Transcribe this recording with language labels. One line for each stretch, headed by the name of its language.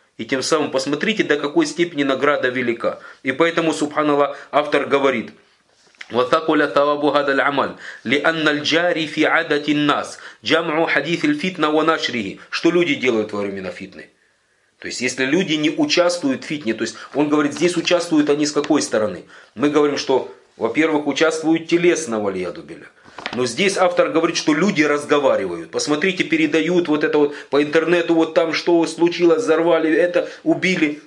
Russian: И тем самым посмотрите, до какой степени награда велика. И поэтому, субханаллах, автор говорит.
Arabic: وثقل ثواب هذا العمل لأن الجاري في عادة الناس جمع حديث الفتنة ونشره.
Russian: Что люди делают во времена фитны? То есть, если люди не участвуют в фитне, то есть, он говорит, здесь участвуют они с какой стороны? Мы говорим, что, во-первых, участвуют телесно, валиадубиля. Но здесь автор говорит, что люди разговаривают. Посмотрите, передают вот это вот по интернету, вот там что случилось, взорвали это, убили.